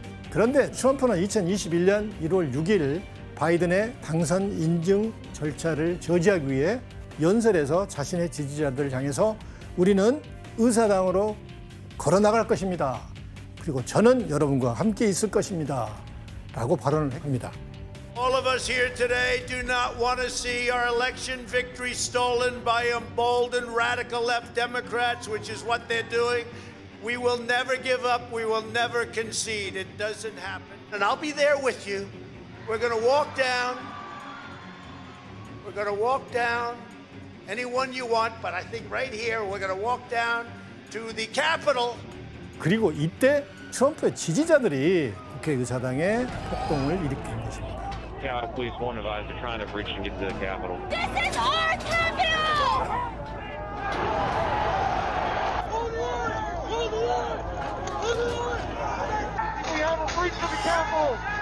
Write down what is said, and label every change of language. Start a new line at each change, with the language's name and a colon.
Korean: 그런데 트럼프는 2021년 1월 6일 바이든의 당선 인증 절차를 저지하기 위해 연설에서 자신의 지지자들을 향해서 우리는 의사당으로 걸어나갈 것입니다. 그리고 저는 여러분과 함께 있을 것입니다. 라고 발언을 합니다.
English: All of us here today do not want to see our election victory stolen by emboldened radical left Democrats, which is what they're doing. We will never give up. We will never concede. It doesn't happen. And I'll be there with you. We're going to walk down. We're going to walk down. Anyone you want, but I think right here, we're going to walk down to the Capitol.
Korean: 그리고 이때 트럼프의 지지자들이 국회의사당에 폭동을 일으킨 것입니다.
English: Please warn advise the trying to reach and get to the Capitol. This is our Capitol! We have a breach of the Capitol!